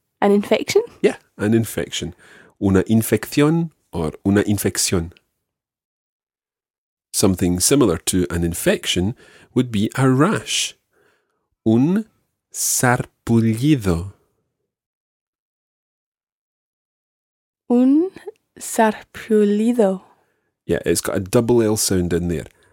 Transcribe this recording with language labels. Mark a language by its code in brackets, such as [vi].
[en] An infection? Yeah, an infection. [es] Una infección or una infección. [en] Something similar to an infection would be a rash. [es] Un sarpullido. Un sarpullido. [en] Yeah, it's got a double L sound in there.